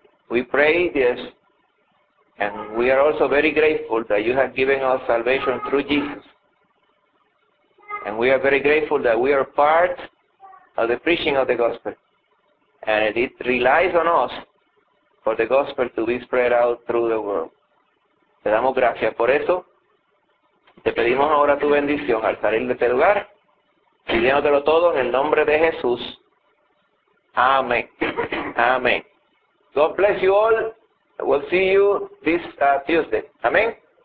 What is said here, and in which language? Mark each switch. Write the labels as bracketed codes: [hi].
[en] We pray this, and we are also very grateful that you have given us salvation through Jesus. And we are very grateful that we are part of the preaching of the gospel. And it relies on us for the gospel to be spread out through the world. [es] Te damos gracias por eso. Te pedimos ahora tu bendición al salir de este lugar. Pidiéndotelo todo en el nombre de Jesús. Amén. [en] Amén. God bless you all. We'll see you this Tuesday. Amén.